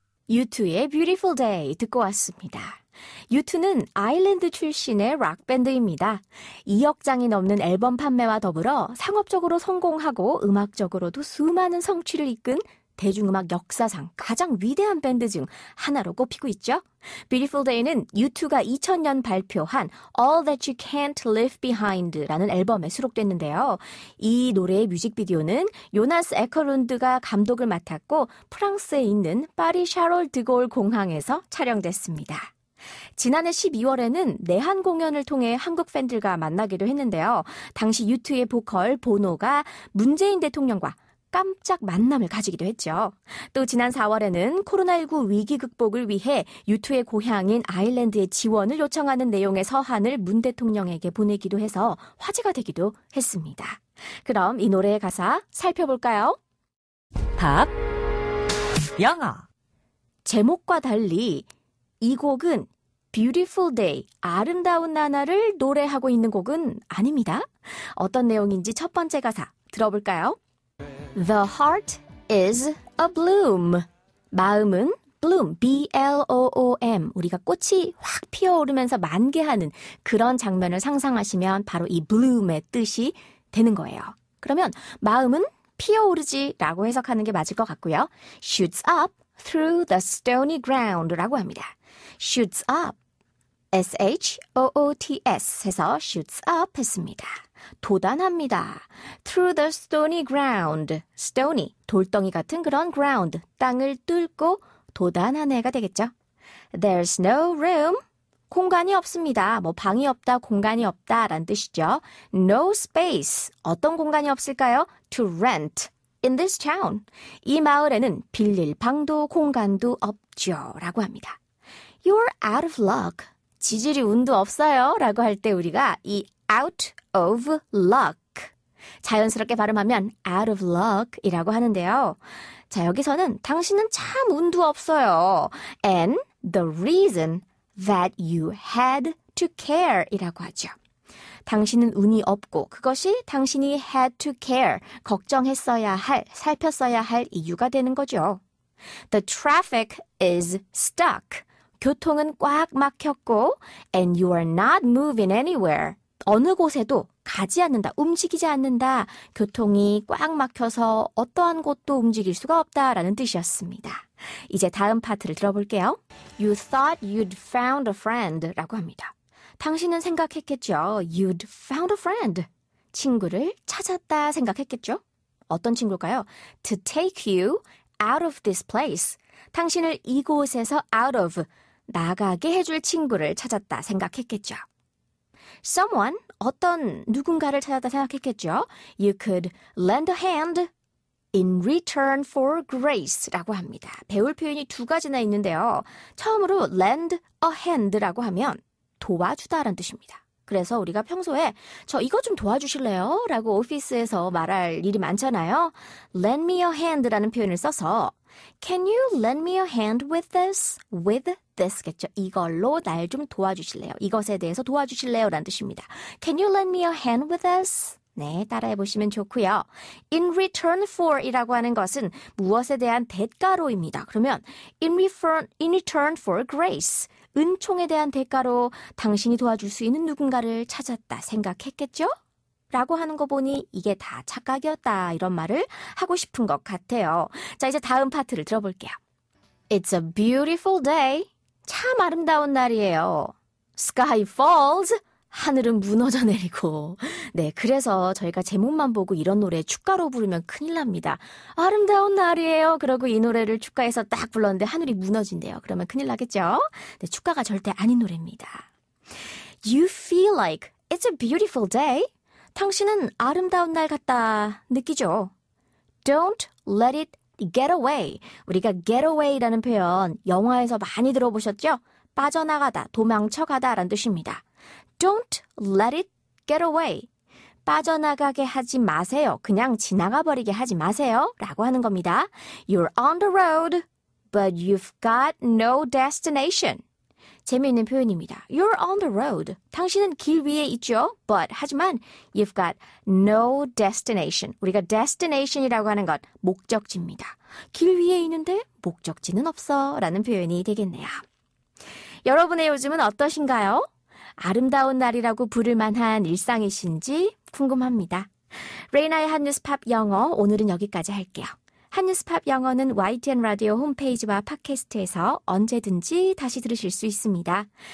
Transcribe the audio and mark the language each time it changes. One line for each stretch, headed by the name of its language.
Korean: 유투의 Beautiful Day 듣고 왔습니다. 유투는 아일랜드 출신의 락밴드입니다. 2억장이 넘는 앨범 판매와 더불어 상업적으로 성공하고 음악적으로도 수많은 성취를 이끈 대중음악 역사상 가장 위대한 밴드 중 하나로 꼽히고 있죠. Beautiful Day는 U2가 2000년 발표한 All That You Can't Leave Behind라는 앨범에 수록됐는데요. 이 노래의 뮤직비디오는 요나스 에커룬드가 감독을 맡았고 프랑스에 있는 파리 샤롤 드골 공항에서 촬영됐습니다. 지난해 12월에는 내한 공연을 통해 한국 팬들과 만나기도 했는데요. 당시 U2의 보컬 보노가 문재인 대통령과 깜짝 만남을 가지기도 했죠. 또 지난 4월에는 코로나19 위기 극복을 위해 U2의 고향인 아일랜드에 지원을 요청하는 내용의 서한을 문 대통령에게 보내기도 해서 화제가 되기도 했습니다. 그럼 이 노래의 가사 살펴볼까요? 팝 영어 제목과 달리 이 곡은 Beautiful Day, 아름다운 나날을 노래하고 있는 곡은 아닙니다. 어떤 내용인지 첫 번째 가사 들어볼까요?
English: The heart is a bloom.
Korean: 마음은 bloom, B-L-O-O-M. 우리가 꽃이 확 피어오르면서 만개하는 그런 장면을 상상하시면 바로 이 bloom의 뜻이 되는 거예요. 그러면 마음은 피어오르지라고 해석하는 게 맞을 것 같고요.
English: Shoots up through the stony ground
Korean: 라고 합니다.
English: Shoots up, S-H-O-O-T-S
Korean: 해서
English: shoots up
Korean: 했습니다. 도단합니다.
English: Through the stony ground.
Korean: Stony, 돌덩이 같은 그런 ground. 땅을 뚫고 도단한 애가 되겠죠.
English: There's no room.
Korean: 공간이 없습니다. 뭐 방이 없다, 공간이 없다 라는 뜻이죠.
English: No space.
Korean: 어떤 공간이 없을까요?
English: To rent in this town.
Korean: 이 마을에는 빌릴 방도 공간도 없죠. 라고 합니다.
English: You're out of luck.
Korean: 지질이 운도 없어요. 라고 할 때 우리가 이
English: out of luck
Korean: 자연스럽게 발음하면
English: out of luck
Korean: 이라고 하는데요. 자, 여기서는 당신은 참 운도 없어요.
English: And the reason that you had to care
Korean: 이라고 하죠. 당신은 운이 없고 그것이 당신이
English: had to care,
Korean: 걱정했어야 할, 살폈어야 할 이유가 되는 거죠.
English: The traffic is stuck.
Korean: 교통은 꽉 막혔고
English: and you are not moving anywhere.
Korean: 어느 곳에도 가지 않는다, 움직이지 않는다. 교통이 꽉 막혀서 어떠한 곳도 움직일 수가 없다라는 뜻이었습니다. 이제 다음 파트를 들어볼게요.
English: You thought you'd found a friend
Korean: 라고 합니다. 당신은 생각했겠죠.
English: You'd found a friend.
Korean: 친구를 찾았다 생각했겠죠. 어떤 친구일까요?
English: To take you out of this place.
Korean: 당신을 이곳에서 out of, 나가게 해줄 친구를 찾았다 생각했겠죠. Someone, 어떤 누군가를 찾았다 생각했겠죠.
English: You could lend a hand in return for grace
Korean: 라고 합니다. 배울 표현이 두 가지나 있는데요. 처음으로
English: lend a hand
Korean: 라고 하면 도와주다라는 뜻입니다. 그래서 우리가 평소에 저 이거 좀 도와주실래요? 라고 오피스에서 말할 일이 많잖아요.
English: Lend me a hand
Korean: 라는 표현을 써서
English: Can you lend me a hand with this? With this겠죠.
Korean: 이걸로 날 좀 도와주실래요? 이것에 대해서 도와주실래요? 라는 뜻입니다.
English: Can you lend me a hand with this?
Korean: 네, 따라해보시면 좋고요.
English: In return for
Korean: 이라고 하는 것은 무엇에 대한 대가로입니다. 그러면
English: in return for grace,
Korean: 은총에 대한 대가로 당신이 도와줄 수 있는 누군가를 찾았다 생각했겠죠? 라고 하는 거 보니 이게 다 착각이었다 이런 말을 하고 싶은 것 같아요. 자, 이제 다음 파트를 들어볼게요.
English: It's a beautiful day.
Korean: 참 아름다운 날이에요.
English: Sky falls.
Korean: 하늘은 무너져 내리고. 네, 그래서 저희가 제목만 보고 이런 노래 축가로 부르면 큰일 납니다. 아름다운 날이에요. 그러고 이 노래를 축가에서 딱 불렀는데 하늘이 무너진대요. 그러면 큰일 나겠죠? 네, 축가가 절대 아닌 노래입니다.
English: You feel like it's a beautiful day.
Korean: 당신은 아름다운 날 같다 느끼죠?
English: Don't let it get away.
Korean: 우리가
English: get away
Korean: 라는 표현 영화에서 많이 들어보셨죠? 빠져나가다, 도망쳐가다라는 뜻입니다.
English: Don't let it get away.
Korean: 빠져나가게 하지 마세요. 그냥 지나가버리게 하지 마세요. 라고 하는 겁니다.
English: You're on the road, but you've got no destination.
Korean: 재미있는 표현입니다.
English: You're on the road.
Korean: 당신은 길 위에 있죠.
English: But,
Korean: 하지만,
English: you've got no destination.
Korean: 우리가 destination이라고 하는 것, 목적지입니다. 길 위에 있는데 목적지는 없어. 라는 표현이 되겠네요. 여러분의 요즘은 어떠신가요? 아름다운 날이라고 부를 만한 일상이신지 궁금합니다. 레이나의 한뉴스팝 영어, 오늘은 여기까지 할게요. 한뉴스팝 영어는 YTN 라디오 홈페이지와 팟캐스트에서 언제든지 다시 들으실 수 있습니다.